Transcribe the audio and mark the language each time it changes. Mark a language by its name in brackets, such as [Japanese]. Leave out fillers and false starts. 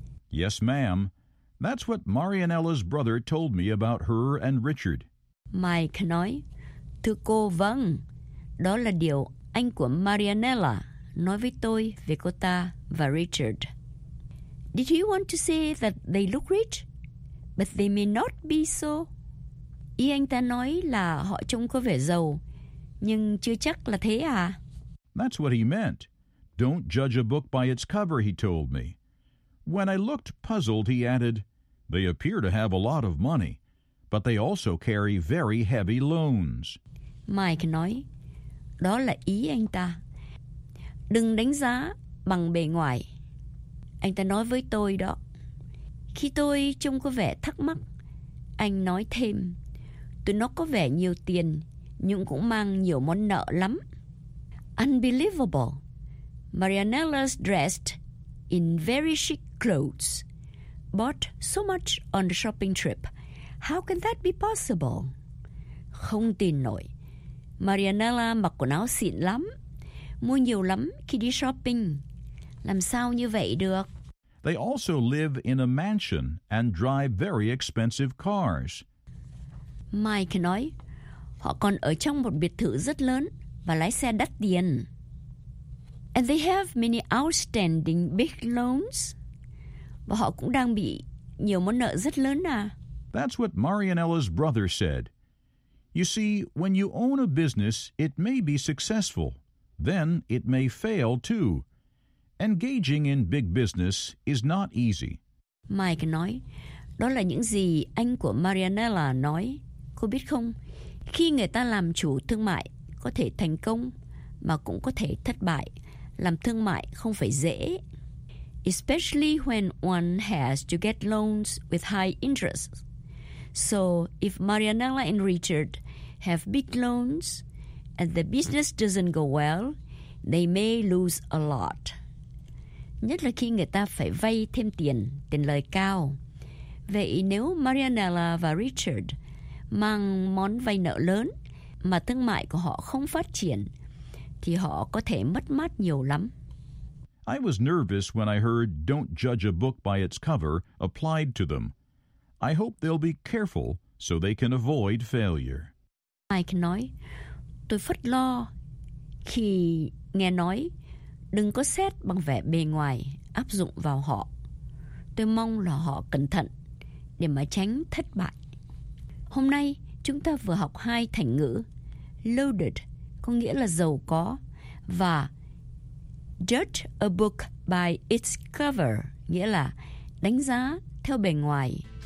[English] Yes, ma'am. That's what Marianella's brother told me about her and Richard. [Vietnamese] Mike nói, thưa cô, vâng, đó là điều anh của Marianella nói với tôi về cô ta và Richard. [English] Did he want to say that they look rich? But they may not be so. [Vietnamese] Ý anh ta nói là họ trông có vẻ giàu, nhưng chưa chắc là thế à? [English] That's what he meant. Don't judge a book by its cover, he told me. When I looked puzzled, he added, they appear to have a lot of money, but they also carry very heavy loans. [Vietnamese] Mike nói, đó là ý anh ta. Đừng đánh giá bằng bề ngoài. Anh ta nói với tôi đó. Khi tôi trông có vẻ thắc mắc, anh nói thêm, tụi nó có vẻ nhiều tiền, nhưng cũng mang nhiều món nợ lắm. [English] Unbelievable. Marianella's dressed in very chic clothes, bought so much on the shopping trip. How can that be possible? [Vietnamese] Không tin nổi. Marianella mặc quần áo xịn lắm, mua nhiều lắm khi đi shopping. Làm sao như vậy được? [English] They also live in a mansion and drive very expensive cars. [Vietnamese] Mike nói, họ còn ở trong một biệt thự rất lớn và lái xe đắt tiền. [English] And they have many outstanding big loans. [Vietnamese] Và họ cũng đang bị nhiều món nợ rất lớn à. [English] That's what Marianella's brother said. You see, when you own a business, it may be successful. Then it may fail too. Engaging in big business is not easy. [Vietnamese] Mike nói, đó là những gì anh của Marianella nói. Cô biết không, khi người ta làm chủ thương mại, có thể thành công mà cũng có thể thất bại. Làm thương mại không phải dễ. [English] Especially when one has to get loans with high interest. So if Marianella and Richard have big loans and the business doesn't go well, they may lose a lot. [Vietnamese] Nhất là khi người ta phải vay thêm tiền, tiền lời cao. Vậy nếu Marianella và Richard mang món vay nợ lớn mà thương mại của họ không phát triển, thì họ có thể mất mát nhiều lắm. [English] I was nervous when I heard don't judge a book by its cover applied to them. I hope they'll be careful so they can avoid failure. [Vietnamese] Mike nói, tôi phất lo khi nghe nói đừng có xét bằng vẻ bề ngoài áp dụng vào họ. Tôi mong là họ cẩn thận để mà tránh thất bại. Hôm nay, chúng ta vừa học hai thành ngữ. Loaded có nghĩa là giàu có và [English] judge a book by its cover [Vietnamese] nghĩa là đánh giá theo bề ngoài.